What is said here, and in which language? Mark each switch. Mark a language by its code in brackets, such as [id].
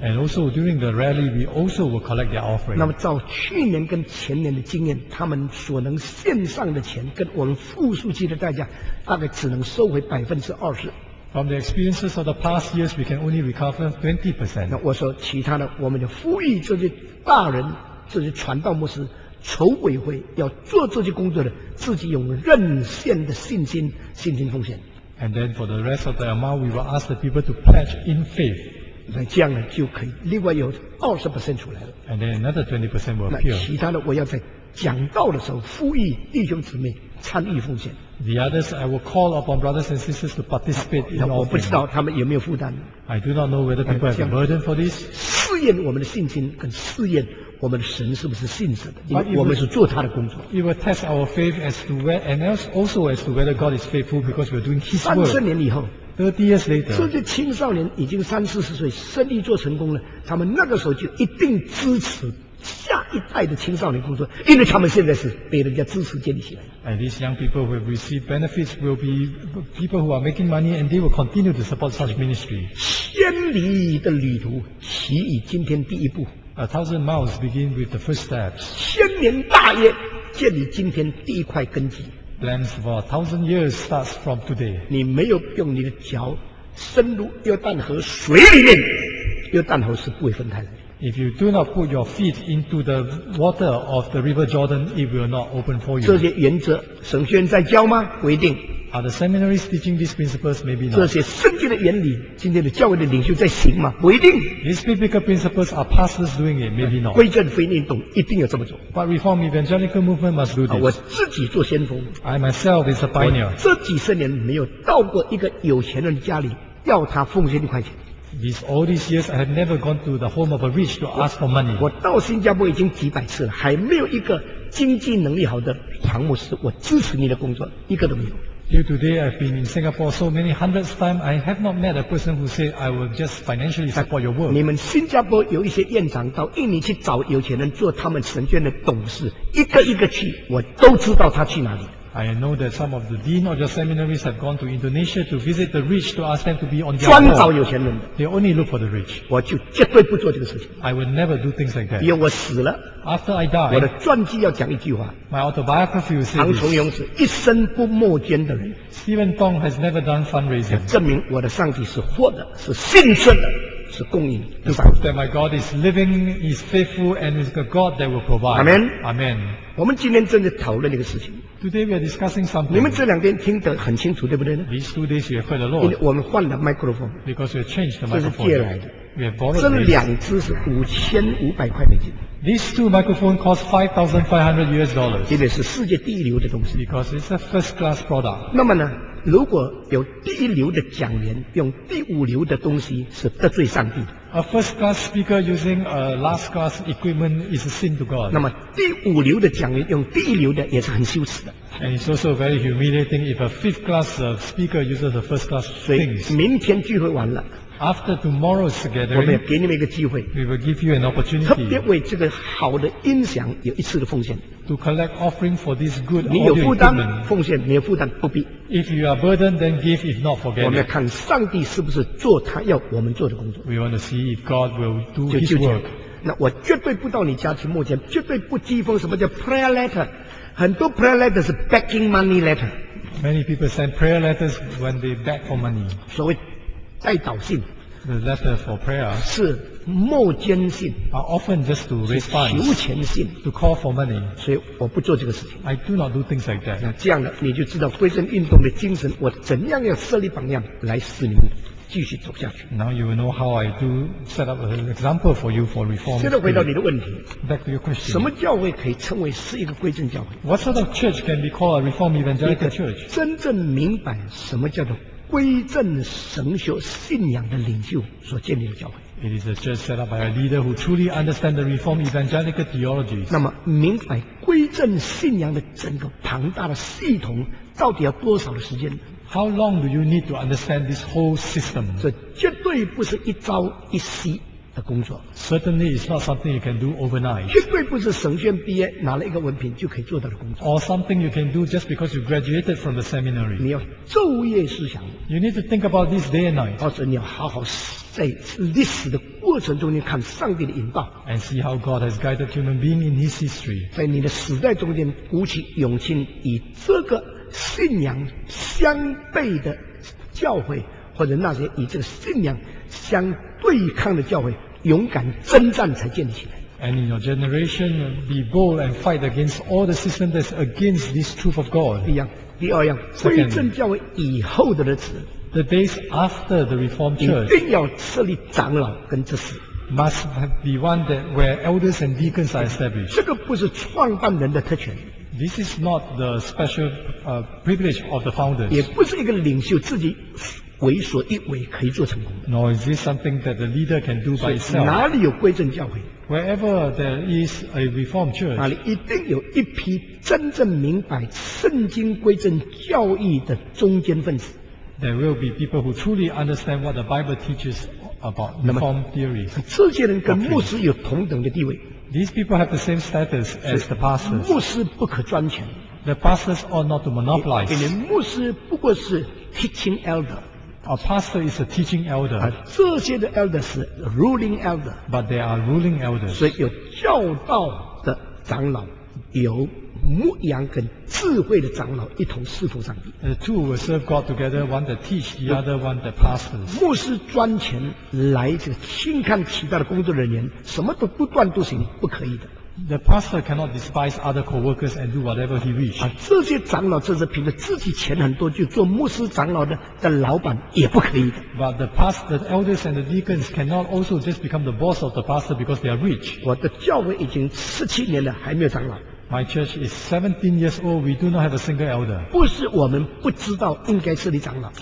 [en] And also during the rally, we also will collect their offering. [zh] 那么照去年跟前年的经验，他们所能献上的钱跟我们付出去的代价，大概只能收回20%。 [en] From the experiences of the past years, we can only recover 20%. [zh] 那我说其他的，我们就呼吁这些大人，这些传道牧师。筹委会要做这些工作的，自己用任现的信心奉献。 [en] And then for the rest of the amount, we will ask the people to pledge in faith. [zh] 那这样呢就可以，另外有20%出来了。 [en] And then another 20% will appear. [zh] 那其他的我要在讲道的时候呼吁弟兄姊妹参与奉献。 [en] The others, I will call upon brothers and sisters to participate in offering. [zh] 我不知道他们有没有负担。 [en] I do not know whether people have a burden for this. [zh] 试验我们的信心跟试验。我们的神是不是信实的？因为我们是做他的工作。 [en] It will test our faith as to where, and else also as to whether God is faithful because we are doing His work. [zh] 30年以后 [en] ，30 years later， [zh] 这些青少年已经30-40岁，生意做成功了，他们那个时候就一定支持下一代的青少年工作，因为他们现在是被人家支持建立起来的。 [en] And these young people who receive benefits will be people who are making money, and they will continue to support such ministry. [zh] 1000里的旅途，起于今天第一步。 [en] 1,000 miles begin with the first steps. [zh] 千年大业建立今天第一块根基。 [en] Plans for 1,000 years starts from today. [zh] 你没有用你的脚深入约旦河水里面，约旦河是不会分开的。 [en] If you do not put your feet into the water of the River Jordan, it will not open for you. [zh] 这些原则神学院在教吗？不一定。 [en] Are the seminaries teaching these principles? Maybe not. [zh] 这些圣经的原理，今天的教会的领袖在行吗？不一定。 [en] These biblical principles are pastors doing it. Maybe not. [zh] 归正福音运动一定要这么做。 [en] But reform evangelical movement must do this. [zh] 我自己做先锋。 [en] I myself is a pioneer. [zh] 这几十年没有到过一个有钱人家里，要他奉献一块钱。 [en] These, all these years, I have never gone to the home of a rich to ask for money. [zh] 我到新加坡已经几百次了，还没有一个经济能力好的唐牧师，我支持你的工作，一个都没有。 [en] Till today, I've been in Singapore so many hundreds of times, I have not met a person who said, I will just financially support your work. [zh] 你们新加坡有一些院长到印尼去找有钱人做他们神学院的董事，一个一个去，我都知道他去哪里。 [en] I know that some of the dean of your seminaries have gone to Indonesia to visit the rich to ask them to be on their [zh] own. 专找有钱人。 [en] They only look for the rich. [zh] 我就绝对不做这个事情。 [en] I will never do things like that. [zh] 因为我死了。 [en] After I die. [zh] 我的传记要讲一句话。 [en] My autobiography will say this. [zh] 唐崇荣是一生不募捐的人。 [en] Stephen Tong has never done fundraising. [zh] 证明我的上帝是活的，是信实的。是供应 [en] 的 to prove that my God is living, is faithful, and is the God that will provide. Amen. Amen. [zh] 我们今天正在讨论这个事情。 [en] Today we are discussing something. [zh] 你们这两天听得很清楚，对不对呢 [en] ？These 2 days you have heard a lot. [zh] 因为我们换了麦克风。 [en] Because we changed the microphone. [zh] 这是借来的。 [en] We have borrowed. [zh] 这两只是$5,500。 [en] These 2 microphones cost $5,500. It is [zh] 世界第一流的东西。 [en] Because it's a first-class product. [zh] 那么呢，如果有第一流的讲员用第五流的东西，是得罪上帝。 [en] A first class speaker using a last class equipment is a sin to God. [zh] 那么第五流的讲员用第一流的也是很羞耻的。 [en] And it's also very humiliating if a fifth class speaker uses a first class things. [zh] 明天聚会完了。 [en] After tomorrow's gathering, [zh] 我们给你们一个机会。 [en] We will give you an opportunity. [zh] 特别为这个好的音响有一次的奉献。 [en] To collect offering for this good audio equipment. [zh] 你有负担奉献，没有负担不必。 [en] If you are burdened, then give. If not, forget. [zh] 我们要看上帝是不是做他要我们做的工作。 [en] We want to see if God will do His work. [zh] 那我绝对不到你家去募钱，绝对不寄封什么叫 prayer letter。 [en] 很多 prayer letter 是 begging money letter. Many people send prayer letters when they beg for money. [zh] 所谓代祷信 [en] ，the letter for prayer [zh] 是募捐信 [en] ，are often just to respond [zh] 求钱信 [en] ，to call for money。 [zh] 所以我不做这个事情。 [en] I do not do things like that。 [zh] 那这样的你就知道归正运动的精神，我怎样要设立榜样来使你们继续走下去。 [en] Now you will know how I do set up an example for you for reform. [zh] 现在回到你的问题 [en] ，back to your question， [zh] 什么教会可以称为是一个归正教会 [en] ？What sort of church can be called a reform evangelical church？ [zh] 真正明白什么叫做。归正神学信仰的领袖所建立的教会。 [en] It is a church set up by a leader who truly understands the Reformed evangelical theology. [zh] 那么明白归正信仰的整个庞大的系统，到底要多少的时间 [en] ？How long do you need to understand this whole system？ [zh] 这绝对不是一朝一夕的工作。 [en] Certainly, it's not something you can do overnight. [zh] 绝对不是神学毕业拿了一个文凭就可以做到的工作。 [en] Or something you can do just because you graduated from the seminary. [zh] 你要昼夜思想。 [en] You need to think about this day and night. [zh] 或者你要好好在历史的过程中间看上帝的引导。 [en] And see how God has guided human beings in His history. [zh] 在你的时代中间鼓起勇气，以这个信仰相悖的教会。或者那些以这个信仰相对抗的教会，勇敢征战才建立起来。 [en] And in your generation, be bold and fight against all the systems that's against this truth of God. [zh] 一样，第二样，归正教会以后的日子 [en] ，the days after the Reformed Church， [zh] 一定要设立长老跟执事。 [en] Must be one that where elders and deacons are established. [zh] 这个不是创办人的特权。 [en] This is not the special privilege of the founders. [zh] 也不是一个领袖自己。为所欲为可以做成功的。 [en] No, is this something that the leader can do by itself? [zh] 哪里有归正教会 [en] ？Wherever there is a reformed church, [zh] 哪里一定有一批真正明白圣经归正教义的中间分子。 [en] There will be people who truly understand what the Bible teaches about reformed theories. [zh] 这些人跟牧师有同等的地位。 [en] These people have the same status as the pastors. [zh] 牧师不可专权。 [en] The pastors ought not to monopolize. [zh] 你牧师不过是 teaching elder。 [en] A pastor is a teaching elder. [zh] 这些的 elder 是 ruling elder. [en] But they are ruling elders. [zh] 所以有教导的长老，有牧羊跟智慧的长老一同侍奉上帝。 [en] The two will serve God together. One that teach, the other one that pastors. [zh] 牧师专权来这个轻看其他的工作人员，什么都不断都行，不可以的。 [en] The pastor cannot despise other co-workers and do whatever he wishes. [zh] 这些长老这是凭着自己钱很多就做牧师长老的老板也不可以的。 [en] But the pastor, the elders and the deacons cannot also just become the boss of the pastor because they are rich. [zh] 我的教会已经17年了还没有长老。 [en] My church is 17 years old. We do not have a single elder. [zh] 不是我们不知道应该设立长老。